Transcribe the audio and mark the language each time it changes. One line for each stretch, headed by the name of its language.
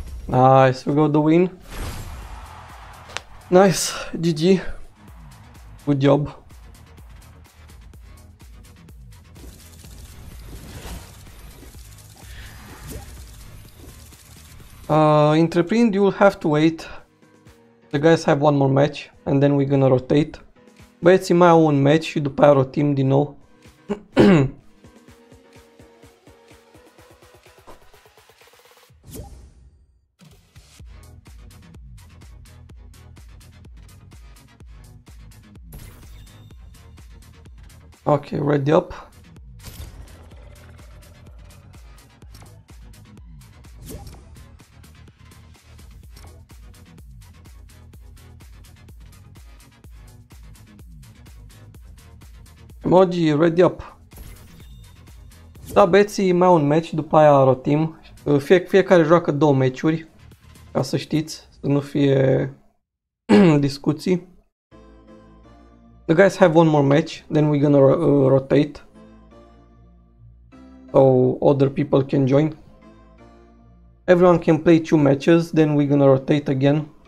English: Nice, we got the win. Nice, GG. Good job. Intreprind, you'll have to wait. The guys have one more match and then we're gonna rotate.
Romanian: Băieții mai au un match și după aia rotim din nou.
English: Okay, ready up.
Romanian: Emoji,
English: ready up.
Romanian: Da, băieții, mai un match, după aia rotim. Fiecare joacă două meciuri, ca să știți, să nu fie discuții.
English: The guys have one more match, then we're gonna rotate. So other people can join. Everyone can play two matches, then we're gonna rotate again.